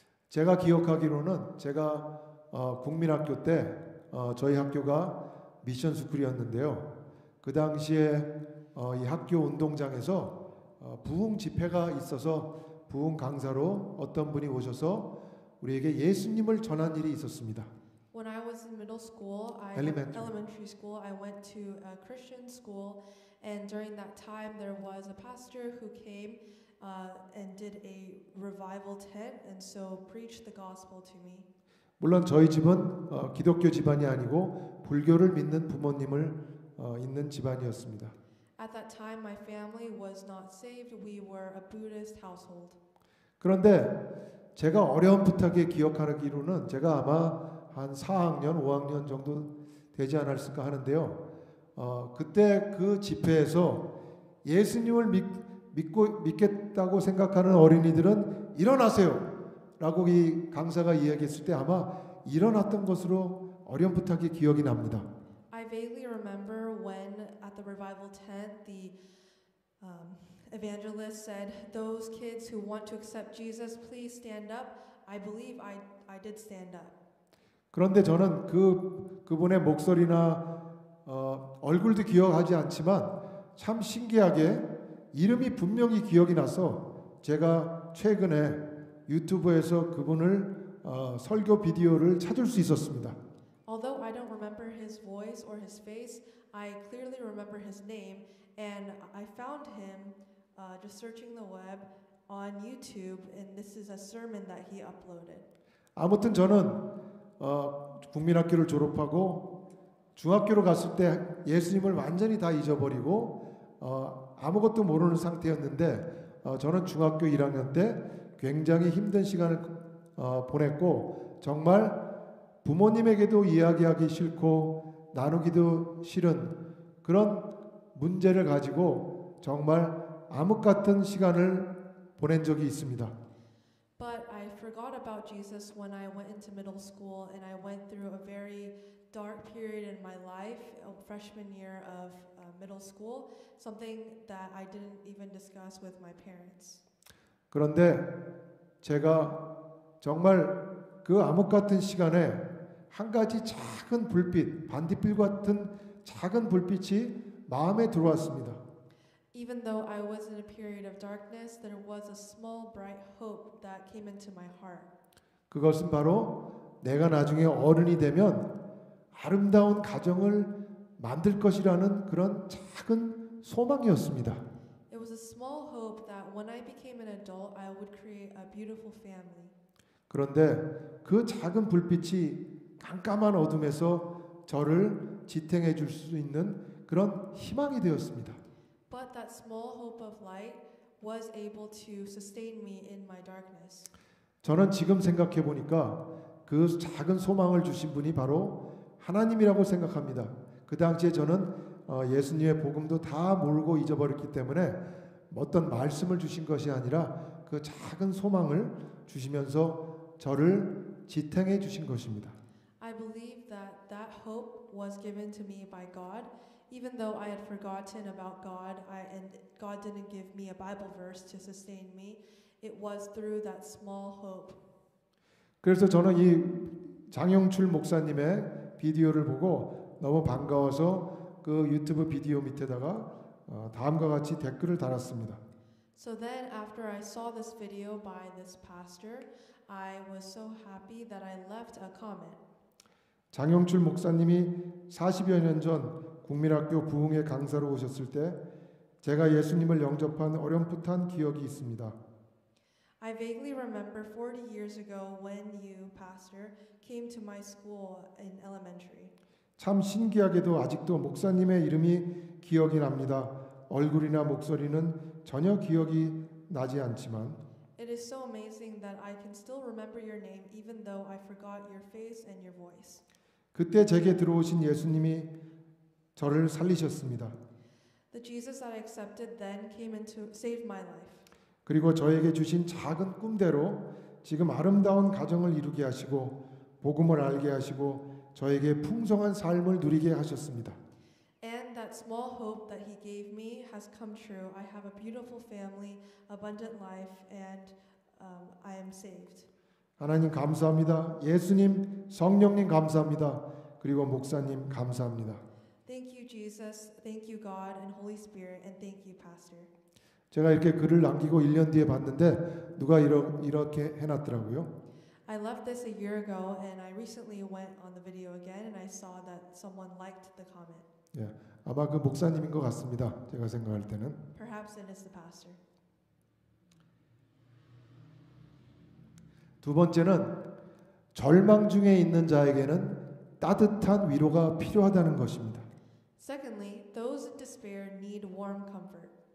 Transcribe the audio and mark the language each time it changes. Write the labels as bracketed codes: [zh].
[ko] 제가 기억하기로는 제가 국민학교 때 저희 학교가 미션 스쿨이었는데요. 그 당시에 이 학교 운동장에서 부흥 집회가 있어서 부흥 강사로 어떤 분이 오셔서 우리에게 예수님을 전한 일이 있었습니다. [en] When I was in middle school, elementary school, I went to a Christian school, and during that time, there was a pastor who came and did a revival tent, and so preached the gospel to me. [ko] 물론 저희 집은 기독교 집안이 아니고 불교를 믿는 부모님을 있는 집안이었습니다. [en] At that time, my family was not saved. We were a Buddhist household. [ko] 그런데 제가 어렴풋하게 기억하기로는 제가 아마 한 4학년, 5학년 정도 되지 않았을까 하는데요. 그때 그 집회에서 예수님을 믿겠다고 생각하는 어린이들은 일어나세요! 라고 이 강사가 이야기했을 때 아마 일어났던 것으로 어렴풋하게 기억이 납니다. [en] I vaguely remember when at the revival tent the evangelist said, those kids who want to accept Jesus, please stand up. I believe I did stand up. [ko] 그런데 저는 그분의 목소리나 얼굴도 기억하지 않지만 참 신기하게 이름이 분명히 기억이 나서 제가 최근에 유튜브에서 그분을 설교 비디오를 찾을 수 있었습니다. [en] Although I don't remember his voice or his face, I clearly remember his name and I found him just searching the web on YouTube, and this is a sermon that he uploaded. [ko] 아무튼 저는 국민학교를 졸업하고 중학교로 갔을 때 예수님을 완전히 다 잊어버리고 아무것도 모르는 상태였는데 저는 중학교 1학년 때 굉장히 힘든 시간을 보냈고 정말 부모님에게도 이야기하기 싫고 나누기도 싫은 그런 문제를 가지고 정말 암흑 같은 시간을 보낸 적이 있습니다. [en] But I forgot about Jesus when I went into middle school and I went through a very dark period in my life, freshman year of middle school, something that I didn't even discuss with my parents. [ko] 그런데 제가 정말 그 암흑 같은 시간에 한 가지 작은 불빛, 반딧불 같은 작은 불빛이 마음에 들어왔습니다. [en] Even though I was in a period of darkness, there was a small bright hope that came into my heart. [ko] 그것은 바로 내가 나중에 어른이 되면 아름다운 가정을 만들 것이라는 그런 작은 소망이었습니다. [en] It was a small hope that when I became an adult, I would create a beautiful family. [ko] 그런데 그 작은 불빛이 깜깜한 어둠에서 저를 지탱해 줄 수 있는 그런 희망이 되었습니다. [en] But that small hope of light was able to sustain me in my darkness. [ko] 저는 지금 생각해 보니까 그 작은 소망을 주신 분이 바로 하나님이라고 생각합니다. 그 당시에 저는 예수님의 복음도 다 모르고 잊어버렸기 때문에 어떤 말씀을 주신 것이 아니라 그 작은 소망을 주시면서 저를 지탱해 주신 것입니다. [en] I believe that that hope was given to me by God. Even though I had forgotten about God, and God didn't give me a Bible verse to sustain me, it was through that small hope. [ko] 그래서 저는 이 장영출 목사님의 비디오를 보고 너무 반가워서 그 유튜브 비디오 밑에다가 다음과 같이 댓글을 달았습니다. [en] So then after I saw this video by this pastor, I was so happy that I left a comment. [ko] 장영출 목사님이 40여 년 전 국민학교 부흥회 강사로 오셨을 때 제가 예수님을 영접한 어렴풋한 기억이 있습니다. [en] I vaguely remember 40 years ago when you, pastor, came to my school in elementary. [ko] 참 신기하게도 아직도 목사님의 이름이 기억이 납니다. 얼굴이나 목소리는 전혀 기억이 나지 않지만 [en] It is so amazing that I can still remember your name even though I forgot your face and your voice. [ko] 그때 제게 들어오신 예수님이 저를 살리셨습니다. [en] The Jesus that I accepted then came into saved my life. [ko] 그리고 저에게 주신 작은 꿈대로 지금 아름다운 가정을 이루게 하시고 복음을 알게 하시고 저에게 풍성한 삶을 누리게 하셨습니다. [en] And that small hope that he gave me has come true. I have a beautiful family, abundant life, and I am saved. [ko] 하나님 감사합니다. 예수님, 성령님 감사합니다. 그리고 목사님 감사합니다. [en] Thank you, Jesus. Thank you, God and Holy Spirit, and thank you, Pastor. [ko] 제가 이렇게 글을 남기고 1년 뒤에 봤는데 누가 이렇게 해놨더라고요. [en] I left this a year ago, and I recently went on the video again, and I saw that someone liked the comment. [ko] 예, 아마 그 목사님인 것 같습니다. 제가 생각할 때는. [en] Perhaps it is the pastor. [ko] 두 번째는 절망 중에 있는 자에게는 따뜻한 위로가 필요하다는 것입니다. [en] Secondly, those in despair need warm comfort.